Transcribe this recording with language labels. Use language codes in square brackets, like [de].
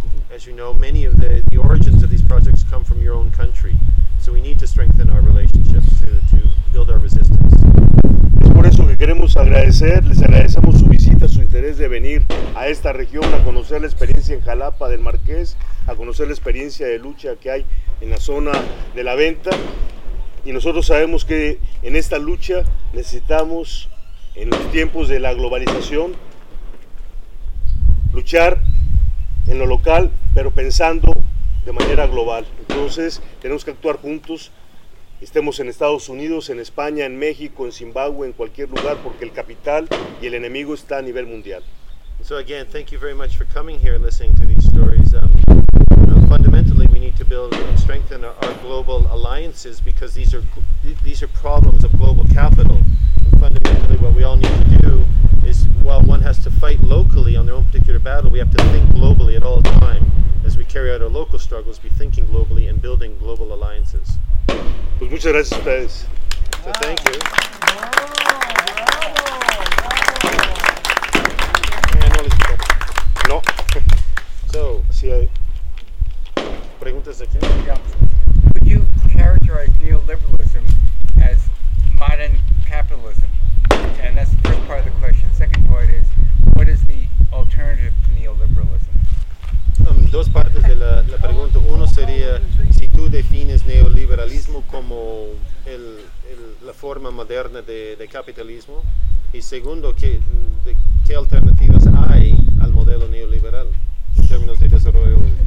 [en] As you know, many of the origins of these projects come from your own country, so we need to strengthen our relationships to build our resistance. [es] Es por eso que queremos agradecer, les agradecemos su visita, su interés de venir a esta región a conocer la experiencia en Jalapa del Marqués, a conocer la experiencia de lucha que hay en la zona de La Venta. Y nosotros sabemos que en esta lucha necesitamos, en los tiempos de la globalización, luchar en lo local, pero pensando de manera global. Entonces, tenemos que actuar juntos, estemos en Estados Unidos, en España, en México, en Zimbabue, en cualquier lugar, porque el capital y el enemigo está a nivel mundial. [en] So again, thank you very much for coming here and listening to these stories. Fundamentally, we need to build and strengthen our global alliances, because these are problems of global capital. And fundamentally, what we all need to do is, while one has to fight locally on their own particular battle, we have to think globally at all times. As we carry out our local struggles, be thinking globally and building global alliances. [es] Pues muchas gracias a ustedes. [en] So thank you. No. So, see, I... [es] Preguntas aquí. [en] Yeah. Would you characterize neoliberalism as modern capitalism? And that's the first part of the question. The second part is, what is the alternative to neoliberalism? [es] Dos partes de la pregunta. Uno sería, si tú defines neoliberalismo como la forma moderna de capitalismo. Y segundo, ¿qué alternativas hay al modelo neoliberal en términos de desarrollo?